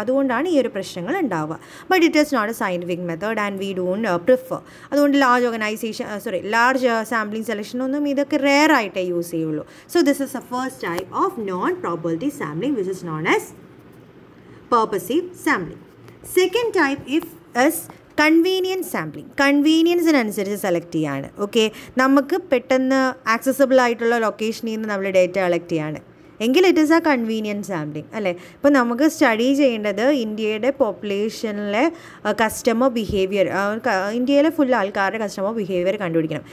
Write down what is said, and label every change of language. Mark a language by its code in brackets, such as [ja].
[ml] അതുകൊണ്ടാണ് ഈ ഒരു പ്രശ്നങ്ങൾ ഉണ്ടാവുക. [en] But it is not a scientific method and we don't prefer. [ml] അതുകൊണ്ട് large organisation sorry large sampling സെലക്ഷനൊന്നും ഇതൊക്കെ റെയർ ആയിട്ടേ യൂസ് ചെയ്യുള്ളൂ. [en] So this is a first type of non probability sampling which is known as purposive sampling. Second type if is convenience sampling. [ml] Convenience അനുസരിച്ച് select ചെയ്യാണ്. Okay, നമുക്ക് പെട്ടെന്ന് accessible ആയിട്ടുള്ള ലൊക്കേഷനിൽ നിന്ന് നമ്മൾ ഡേറ്റ കളക്ട് ചെയ്യാണ് എങ്കിൽ [en] it is a convenience sampling [ml] അല്ലേ. ഇപ്പോൾ നമുക്ക് സ്റ്റഡി ചെയ്യേണ്ടത് ഇന്ത്യയുടെ പോപ്പുലേഷനിലെ കസ്റ്റമർ ബിഹേവിയർ, ഇന്ത്യയിലെ ഫുൾ ആൾക്കാരുടെ കസ്റ്റമർ ബിഹേവിയർ കണ്ടുപിടിക്കണം.